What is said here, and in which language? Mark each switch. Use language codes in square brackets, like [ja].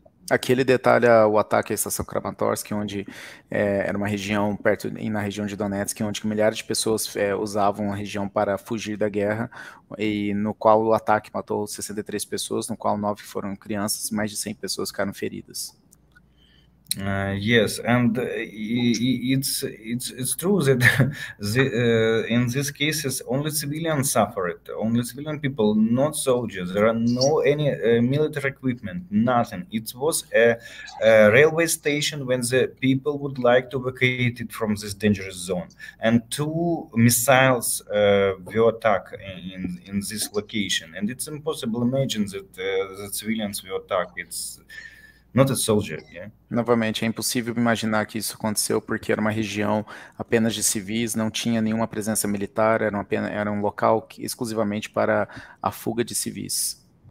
[pt] Aquele detalha o ataque à estação Kramatorsk, onde era uma região perto, na região de Donetsk, onde milhares de pessoas usavam a região para fugir da guerra, e no qual o ataque matou 63 pessoas, no qual 9 foram crianças, mais de 100 pessoas ficaram feridas. [en] Yes, and it's true that in these cases only civilians suffered, only civilian people, not soldiers. There are no any military equipment, nothing. It was a railway station when the people would like to evacuate it from this dangerous zone, and two missiles were attacked in this location, and it's impossible to imagine that the civilians were attacked. It's not a soldier, yeah? [pt] Novamente, é impossível imaginar que isso aconteceu porque era uma região apenas de civis, não tinha nenhuma presença militar, era um local exclusivamente para a fuga de civis.